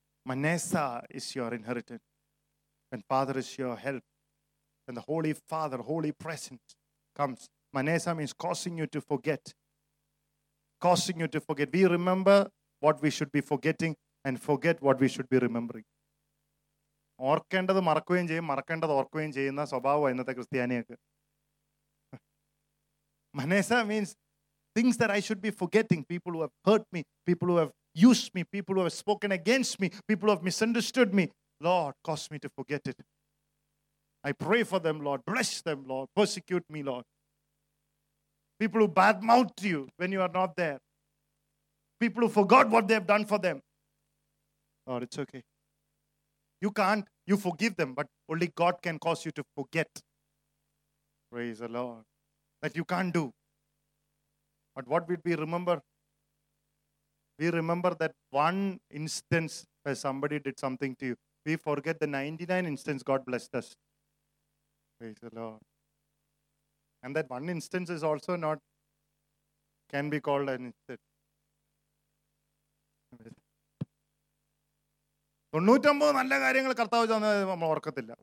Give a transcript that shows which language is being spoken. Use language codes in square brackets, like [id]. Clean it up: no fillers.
[en] Manessa is your inheritance. And Father is your help. And the Holy Father, Holy Presence comes. Manessa means causing you to forget. Causing you to forget. We remember what we should be forgetting and forget what we should be remembering. [ml] ഓർക്കേണ്ടത് മറക്കുകയും ചെയ്യും, മറക്കേണ്ടത് ഓർക്കുകയും ചെയ്യുന്ന സ്വഭാവം ഇന്നത്തെ ക്രിസ്ത്യാനികൾക്ക്. [en] മനേസ means things that I should be forgetting. People who have hurt me, people who have used me, people who have spoken against me, people who have misunderstood me. Lord, cause me to forget it. I pray for them, Lord. Bless them, Lord. Persecute me, Lord. People who badmouth you when you are not there. People who forgot what they have done for them. Lord, it's okay. You can't. You forgive them, but only God can cause you to forget. Praise the Lord. That you can't do. But what would we remember? We remember that one instance where somebody did something to you. We forget the 99 instances God blessed us. Praise the Lord. And that one instance is also not, can be called an instance. [ml] 99 നല്ല കാര്യങ്ങൾ കർത്താവ് ചെയ്തത് നമ്മൾ ഓർക്കത്തില്ല.